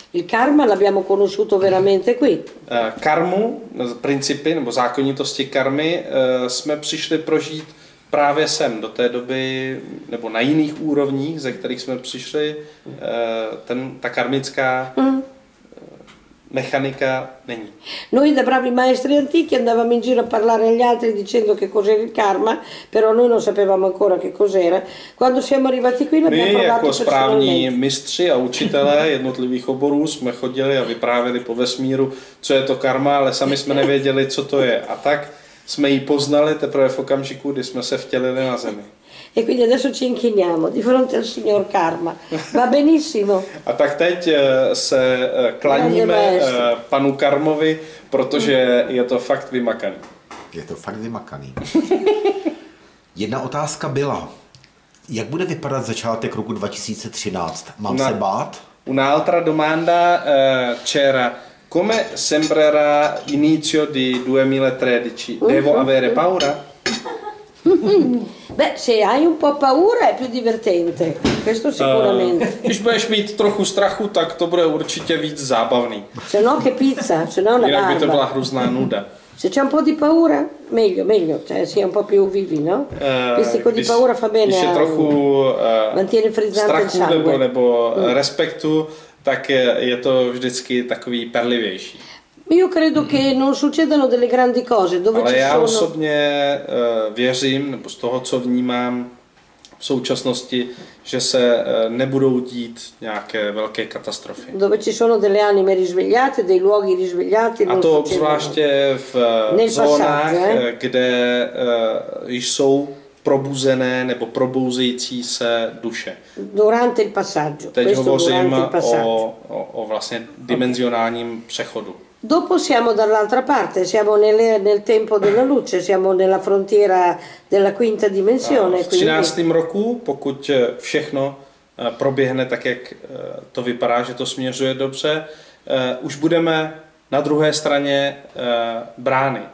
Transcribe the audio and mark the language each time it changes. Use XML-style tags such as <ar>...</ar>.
<it>Il karma l'abbiamo conosciuto veramente qui.</it> <cs>Karmu, principy nebo zákonitosti karmy jsme přišli prožít právě sem. Do té doby nebo na jiných úrovních, ze kterých jsme přišli, ta karmická mechanika není.</cs> <it>Noi da bravi maestri antichi andavamo in giro a parlare agli altri dicendo che cos'era il karma, però noi non sapevamo ancora che cos'era. Quando siamo arrivati qui l'abbiamo provato personalmente.</it> <cs>My jako správní mistři a učitelé jednotlivých oborů jsme chodili a vyprávěli po vesmíru, co je to karma, ale sami jsme nevěděli, co to je. A tak jsme ji poznali teprve v okamžiku, kdy jsme se vtělili na zemi.</cs> <it>E quindi adesso ci inchiniamo di fronte al signor Karma. Va benissimo.</it> <cs>A tak teď se klaníme panu Karmovi, protože je to fakt vymakaný. Je to fakt vymakaný. Jedna otázka byla, jak bude vypadat začátek roku 2013? Mám se bát?</cs> <it>Una altra domanda c'era. Come sembrerà inizio di 2013? Devo avere paura? Beh, se hai un po' paura è più divertente, questo sicuramente.</it> <cs>Když budeš mít trochu strachu, tak to bude určitě víc zábavný.</cs> <it>Se no che pizza, se no la barba.</it> <cs>Jinak by to byla hrozná nuda.</cs> <it>Se c'è un po' di paura, meglio, meglio, cioè sei un po' più vivi, no? Pizzico di paura fa bene.</it> <cs>Když je trochu strachu nebo respektu, tak je to vždycky takový perlivější.</cs> <it>Io credo che non succedano delle grandi cose dove</it> <cs>ale</cs> <it>ci</it> <cs>já</cs> <it>sono.</it> <cs>Osobně věřím, nebo z toho, co vnímám v současnosti, že se nebudou dít nějaké velké katastrofy.</cs> <it>Dove ci sono delle anime risvegliate, dei luoghi risvegliati.</it> <cs>A to zvláště v zónách, kde jsou probuzené nebo probouzející se duše.</cs> <it>Durante il passaggio.</it> <cs>Teď hovořím o vlastně dimenzionálním přechodu.</cs> <it>Dopo siamo dall'altra parte, siamo nel tempo della luce, siamo nella frontiera della quinta dimensione.</it> <cs>V 13. roku, pokud všechno proběhne tak, jak to vypadá, že to směřuje dobře, už budeme na druhé straně brány.</cs>